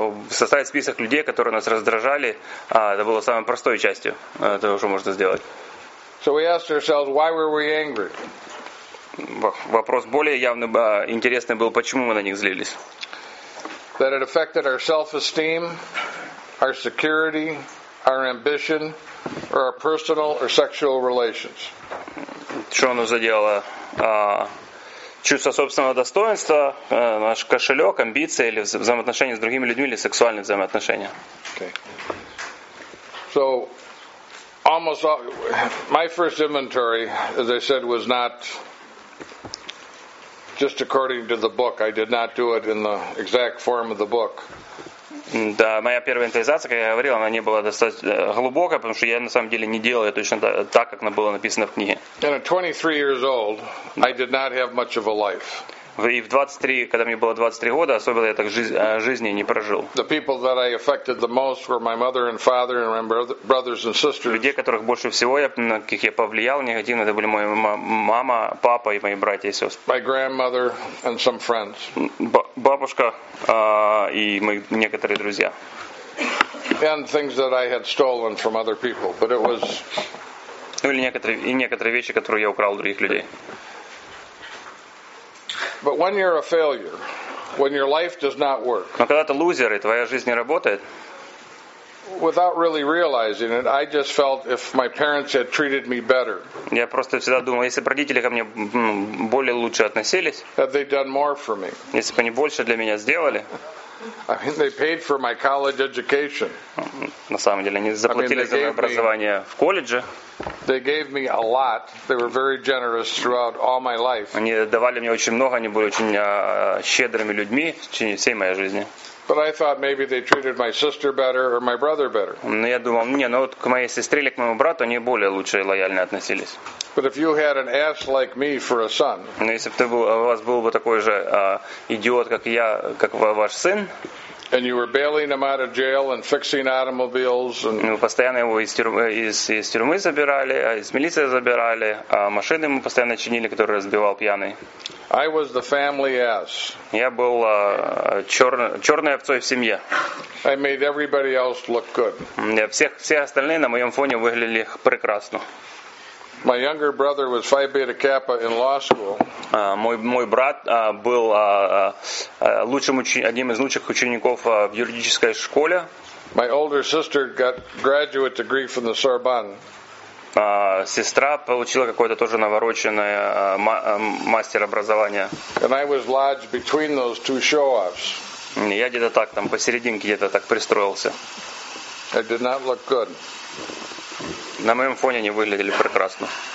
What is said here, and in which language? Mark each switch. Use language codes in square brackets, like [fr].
[ru] Составить список людей, которые нас раздражали, это было самой простой частью того, что можно сделать. [en] So we asked ourselves, why were we angry? [ru] Вопрос более явный, интересный был, почему мы на них злились. [en] That it affected our self-esteem, our security, our ambition, or our personal or sexual relations. [ru] Что оно задело? Чувство собственного достоинства, наш кошелек, амбиции или взаимоотношения с другими людьми или сексуальные взаимоотношения. [en] Okay. So, almost all, my first inventory, as I said, was not just according to the book. I did not do it in the exact form of the book. [ru] Да, моя первая инвентаризация, как я говорил, она не была достаточно глубокая, потому что я на самом деле не делал ее точно так, как она была написана в книге. [en] And at 23 years old, I did not have much of a life. [ru] И в 23, когда мне было 23 года, особенно я так жизни не прожил. [en] The people that I affected the most were my mother and father and my brothers and sisters. [ru] Людей, которых больше всего на каких я повлиял негативно, это были моя мама, папа и мои братья и сестры. [en] My grandmother and some friends. [ru] Бабушка и мои некоторые друзья. [en] And things that I had stolen from other people, but it was. [ru] Некоторые вещи, которые я украл у других людей. [en] But when you're a failure, when your life does not work. [ru] Но когда ты лузер и твоя жизнь не работает. [en] Without really realizing it, I just felt if my parents had treated me better. [ru] Я просто всегда думал, если бы родители ко мне более лучше относились. [en] That they'd done more for me. [ru] Если бы они больше для меня сделали. [en] I mean, they paid for my college education. [ru] На самом деле, они заплатили за моё образование в колледже. [en] They gave me a lot. They were very generous throughout all my life. [ru] Они давали мне очень много. Они были очень щедрыми людьми в течение всей моей жизни. [en] But I thought maybe they treated my sister better or my brother better. [ru] Но я думал, вот к моей сестре или к моему брату они более лучше и лояльнее относились. [en] But if you had an ass like me for a son. [ru] Но если бы у вас был бы такой же идиот, как я, как ваш сын. [en] And you were bailing him out of jail and fixing automobiles. [ru] Мы постоянно его из тюрьмы забирали, из милиции забирали, машины мы постоянно чинили, которые разбивал пьяный. [en] I was the family ass. [ru] Я был черной овцой в семье. [en] I made everybody else look good. [ru] Все остальные на моем фоне выглядели прекрасно. [en] My younger brother was Phi Beta Kappa in law school. [ru] Мой брат был лучшим одним из лучших учеников в юридической школе. [en] My older sister got graduate degree from the Sorbonne. [ru] Сестра получила какое-то тоже навороченное мастер образование. [en] And I was lodged between those two show-offs. [ru] Я где-то так там посерединке где-то так пристроился. [en] I did not look good. [ru] На моем фоне они выглядели прекрасно.